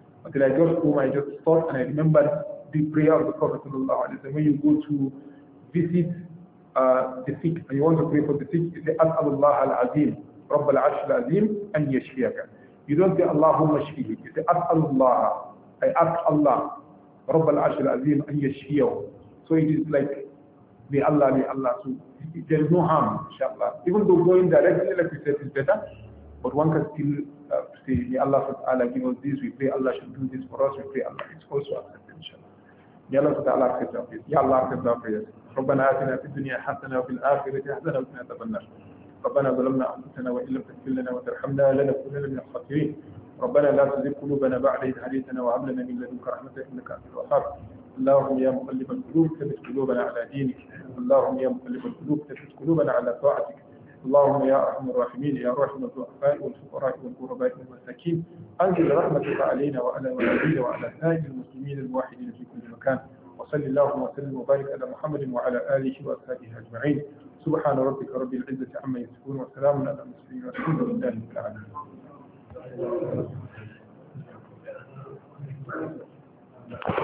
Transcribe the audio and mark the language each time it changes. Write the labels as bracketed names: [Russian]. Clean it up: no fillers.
[English] Until I got home, I just thought and I remembered the prayer of the Prophet sallallahu alaihi wasallam. When you go to visit the sick and you want to pray for the sick, you say, [Arabic] أَسْأَلُ اللَّهَ الْعَظِيمُ رَبَّ الْعَرْشِ الْعَظِيمُ أَنْ يَشْفِيَكَ. [English] You don't say, [Arabic] اللَّهُمَّ اشْفِيهِ. [English] You say, [Arabic] أَسْأَلُ اللَّهَ. [English] I ask Allah, [Arabic] رَبَّ الْعَرْشِ الْعَظِيمُ أَنْ يَشْفِيَهُ. [English] So it is like, may Allah. So there is no harm, inshallah. Even though going directly, like we said, is better, but one can still say, may Allah ta'ala give us this, we pray Allah should do this for us, we pray Allah. It's also accepted, inshallah. [Arabic] يا الله تعالى أخذ ذاقية يا الله أخذ ذاقية ربنا آتنا في الدنيا حسنة وفي الآخرة حسنة وقنا عذاب النار ربنا ظلمنا أنفسنا وإن لم تغفر لنا وترحمنا لنكونن من الخاسرين ربنا لا تزغ قلوبنا بعد إذ هديتنا وهب لنا من لدنك رحمة إنك أنت الوهاب اللهم يا مقلب القلوب ثبت قلوبنا على دينك اللهم يا مقلب القلوب ثبت قلوبنا على طاعتك اللهم يا أرحم الراحمين يا أرحم الضعفاء والفقراء والغرباء والمساكين أنزل رحمتك علينا وعلى والدينا وعلى سائر المسلمين الموحدين في كل مكان وصل اللهم وسلم وبارك على محمد وعلى آله وأصحابه أجمعين سبحان ربك رب العزة عما يصفون وسلام على المرسلين والحمد لله رب العالمين.